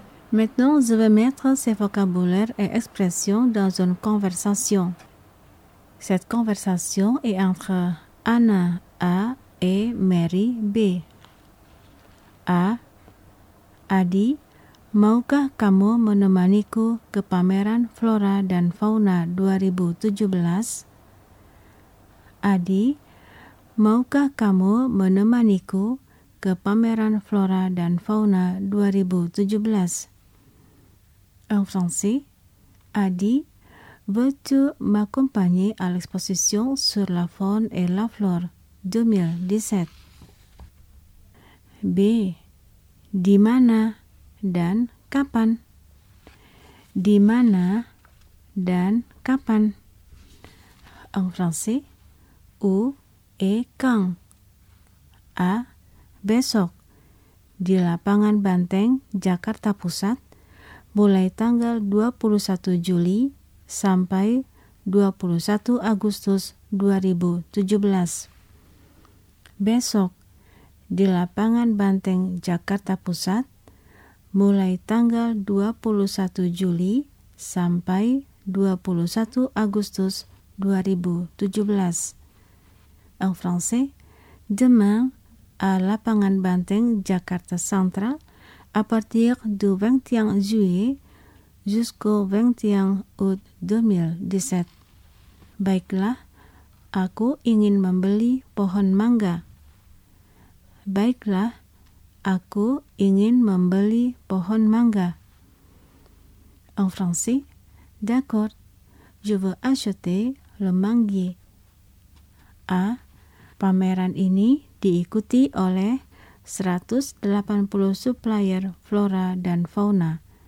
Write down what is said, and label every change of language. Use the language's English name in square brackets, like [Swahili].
[French] Maintenant, je vais mettre ces vocabulaires et expressions dans une conversation. Cette conversation est entre Anna A et Mary B. A a dit, [Indonesian] maukah kamu menemaniku ke pameran flora dan fauna 2017? Adi, maukah kamu menemaniku ke pameran flora dan fauna 2017? [French] En français, Adi, veux-tu m'accompagner à l'exposition sur la faune et la flore 2017? [Indonesian] B. Di mana dan kapan? Di mana dan kapan? [French] En français, où et quand? A. [Indonesian] Besok, di lapangan Banteng, Jakarta Pusat, mulai tanggal 21 Juli sampai 21 Agustus 2017. Besok, di lapangan Banteng, Jakarta Pusat, mulai tanggal 21 Juli sampai 21 Agustus 2017. [French] En français, demain, à lapangan Banteng, Jakarta Central, à partir du 21 juillet jusqu'au 21 août 2017. [Indonesian] Baiklah, aku ingin membeli pohon mangga. Baiklah, aku ingin membeli pohon mangga. [French] En français, d'accord, je veux acheter le manguier. [Indonesian] A. Pameran ini diikuti oleh 180 supplier flora dan fauna.